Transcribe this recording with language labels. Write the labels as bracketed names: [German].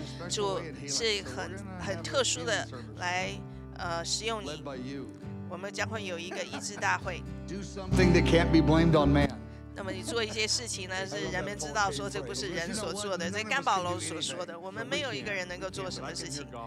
[Chinese] 主是很特殊的来使用你。我们将会有一个医治大会。 [English] Do something that can't be blamed on man. [Chinese] 那么你做一些事情呢，是人们知道说这不是人所做的，这甘宝楼所说的，我们没有一个人能够做什么事情。